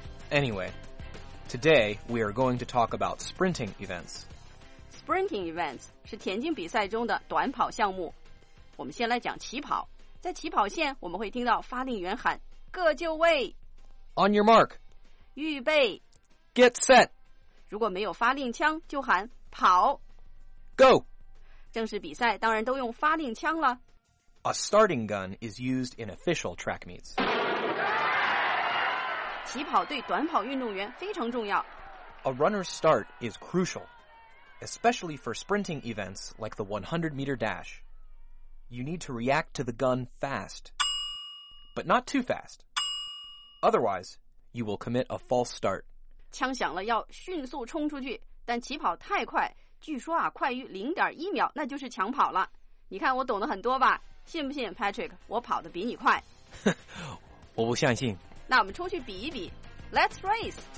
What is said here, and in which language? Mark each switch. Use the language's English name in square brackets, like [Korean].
[English] Anyway, today we are going to talk about sprinting events. Sprinting events [Chinese] 是田径比赛中的短跑项目。我们先来讲起跑，在起跑线我们会听到发令员喊各就位 [English] On your mark [Chinese] 预备 [English] Get set [Chinese] 如果没有发令枪就喊跑 [English] Go [Chinese] 正式比赛当然都用发令枪了 [English] A starting gun is used in official track meets [Chinese] 起跑对短跑运动员非常重要 [English] A runner's start is crucialespecially for sprinting events like the 100-meter dash. You need to react to the gun fast, but not too fast. Otherwise, you will commit a false start. [Chinese] 枪响了要迅速冲出去，但起跑太快，据说啊，快于 0.1 秒，那就是抢跑了。你看我懂得很多吧？信不信 Patrick, 我跑得比你快？我不相信。那我们出去比一比。 [English] Let's race.